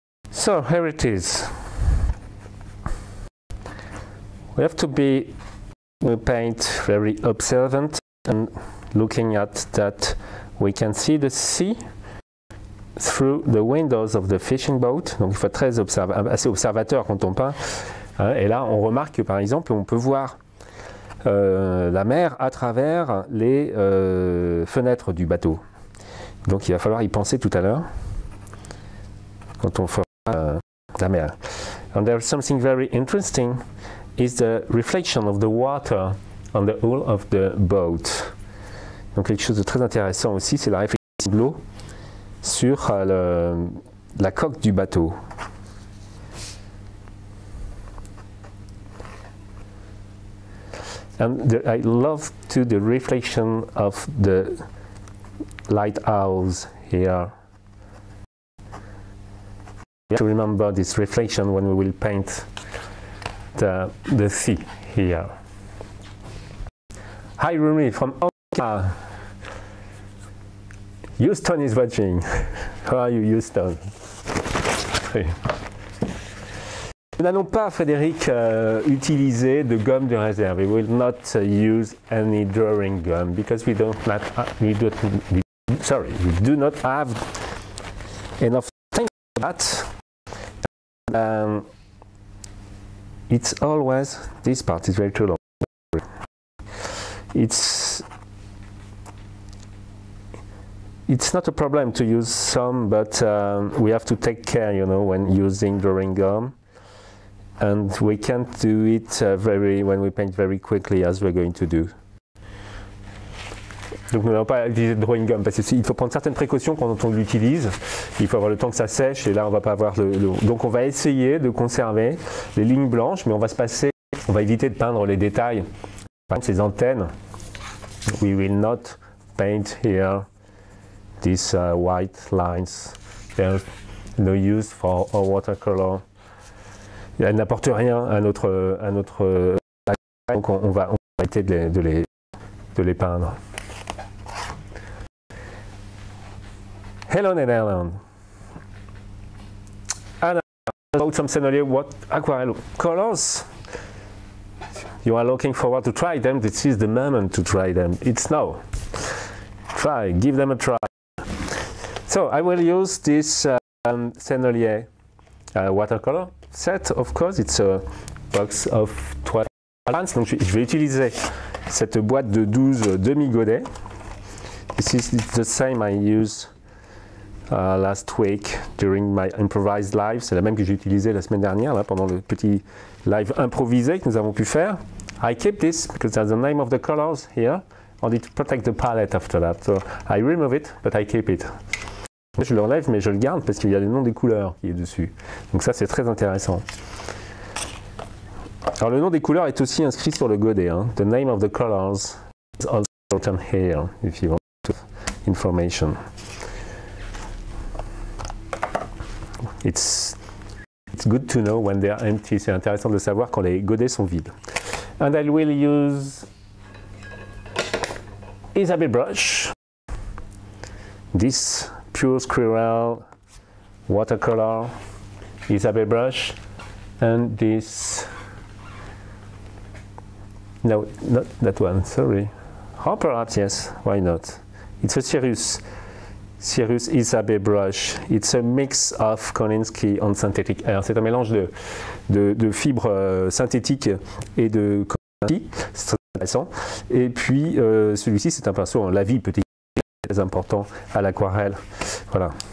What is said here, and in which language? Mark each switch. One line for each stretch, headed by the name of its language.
English: So here it is. We have to be, we paint very observant and looking at that we can see the sea through the windows of the fishing boat.
French: Donc il faut être très assez observateur quand on peint. Et là on remarque que par exemple on peut voir la mer à travers les fenêtres du bateau. Donc il va falloir y penser tout à l'heure quand on fera la mer.
English: And there is something very interesting is the reflection of the water on the hull of the boat.
French: Donc quelque chose de très intéressant aussi, c'est la réflexion de l'eau sur la coque du bateau.
English: And I love too the reflection of the lighthouse here. We have to remember this reflection when we will paint the sea here. Hi Rumi from Oka. Houston is watching. How are you, Houston?
French: Nous n'allons pas, Frédéric, utiliser de gomme de réserve.
English: We will not use any drawing gum because we do not have enough time for that. It's always, this part is very too long. It's not a problem to use some, but we have to take care, you know, when using drawing gum. And we can't do it when we paint very quickly, as we're going to do.
French: Donc nous n'allons pas utiliser de drawing gum, parce qu'il faut prendre certaines précautions quand on l'utilise. Il faut avoir le temps que ça sèche, et là on va pas avoir le... Donc on va essayer de conserver les lignes blanches, mais on va éviter de peindre les détails. Par exemple, ces antennes,
English: we will not paint here. These white lines, there's no use for our watercolor.
French: Elles n'apportent rien à notre donc on va arrêter de les peindre.
English: Hello Netherlands. Anna, about some Sennelier what aquarelle colors. You are looking forward to try them. This is the moment to try them. It's now. Try, give them a try. So I will use this Sennelier watercolor set, of course. It's a box of 12 pans.
French: Donc je vais utiliser cette boîte de 12 demi-godets.
English: This is the same I used last week during my improvised live.
French: C'est la même que j'ai utilisée la semaine dernière là, pendant le petit live improvisé que nous avons pu faire.
English: I keep this because there's the name of the colors here. I need to protect the palette after that. So I remove it, but I keep it.
French: Je l'enlève, mais je le garde parce qu'il y a le nom des couleurs qui est dessus. Donc ça, c'est très intéressant. Alors, le nom des couleurs est aussi inscrit sur le godet. Hein.
English: The name of the colors is also written here, if you want information. It's good to know when they are empty.
French: C'est intéressant de savoir quand les godets sont vides.
English: And I will use Isabel brush. This pure squirrel watercolor Isabel brush, and this, no, not that one, sorry, or perhaps yes, why not, it's a Cirrus Isabel brush. It's a mix of Kolinsky and synthetic air.
French: C'est un mélange de fibres synthétiques et de Kolinsky. C'est très intéressant. Et puis celui-ci, c'est un pinceau en lavis petit, très important à l'aquarelle. Voilà.